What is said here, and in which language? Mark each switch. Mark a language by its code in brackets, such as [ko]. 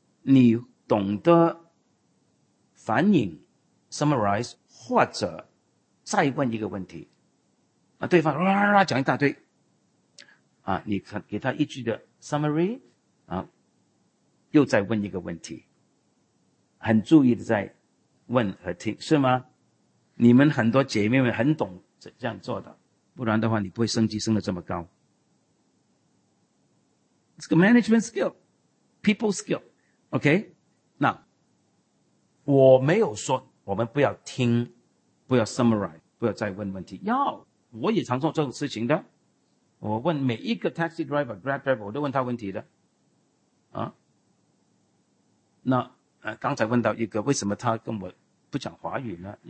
[zh] 你懂得反应 summarize 或者再问一个问题，对方哇哇讲一大堆，你给他一句的 summary， 又再问一个问题，很注意的在问和听，是吗？你们很多姐妹们很懂这样做的，不然的话你不会升级升得这么高。 [en] It's a management skill, people skill, OK? [zh] 那我没有说我们不要听，不要 summarize, 不要再问问题。要，我也常做这种事情的。我问每一个 taxi driver, grab driver, 我都问他问题的。那刚才问到一个，为什么他跟我不讲华语呢？